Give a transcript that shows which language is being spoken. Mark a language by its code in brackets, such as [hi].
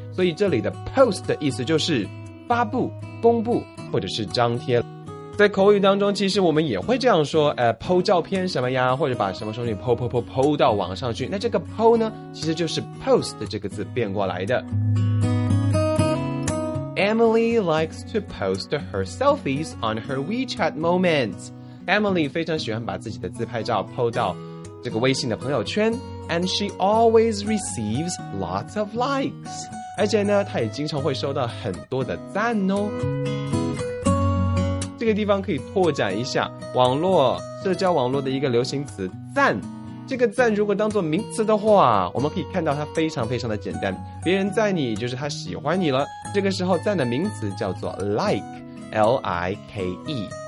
[zh] 所以这里的 post 的意思就是发布、公布或者是张贴。在口语当中其实我们也会这样说，po 照片什么呀，或者把什么东西 po 到网上去。那这个 po 呢，其实就是 post 的这个字变过来的。 [en] Emily likes to post her selfies on her WeChat moments。 [zh] Emily 非常喜欢把自己的自拍照 po 到这个微信的朋友圈。 [en] And she always receives lots of likes. [zh] 而且呢，她也经常会收到很多的赞哦。这个地方可以拓展一下网络，社交网络的一个流行词，赞。这个赞如果当做名词的话，我们可以看到它非常非常的简单。别人赞你，就是他喜欢你了。这个时候赞的名词叫做 like， L-I-K-E。